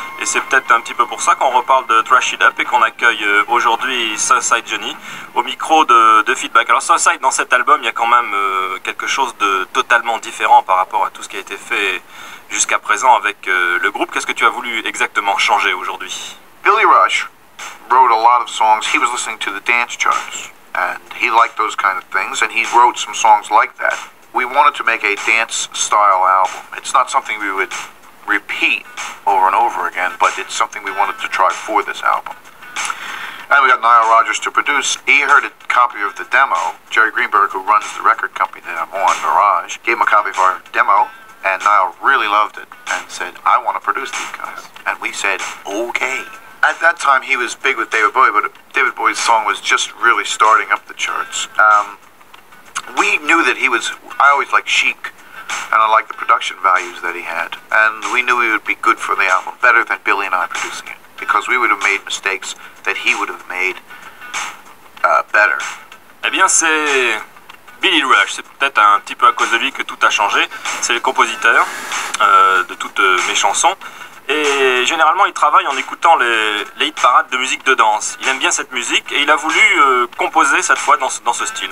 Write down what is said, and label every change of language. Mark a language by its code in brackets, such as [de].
[fr] Et c'est peut-être un petit peu pour ça qu'on reparle de Trash It Up et qu'on accueille aujourd'hui Southside Johnny au micro de Feedback. Alors Southside, dans cet album, il y a quand même quelque chose de totalement différent par rapport à tout ce qui a été fait jusqu'à présent avec le groupe. Qu'est-ce que tu as voulu exactement changer aujourd'hui? [en] Billy Rush wrote a lot of songs. He was listening to the dance charts and he liked those kind of things and he wrote some songs like that. We wanted to make a dance style album. It's not something we would repeat over and over again, but it's something we wanted to try for this album. And we got Nile Rodgers to produce. He heard a copy of the demo. Jerry Greenberg, who runs the record company that I'm on, Mirage, gave him a copy of our demo. And Nile really loved it and said, I want to produce these guys. And we said, okay. At that time, he was big with David Bowie, but David Bowie's song was just really starting up the charts. We knew that he was, I always liked Chic, and I liked the production values that he had. And we knew he would be good for the album, better than Billy and I producing it, because we would have made mistakes that he would have made better. [fr] Eh bien, c'est Billy Rush, c'est peut-être un petit peu à cause de lui que tout a changé. C'est le compositeur de toutes mes chansons. Et généralement, il travaille en écoutant les hit parades de musique de danse. Il aime bien cette musique et il a voulu composer cette fois dans ce style.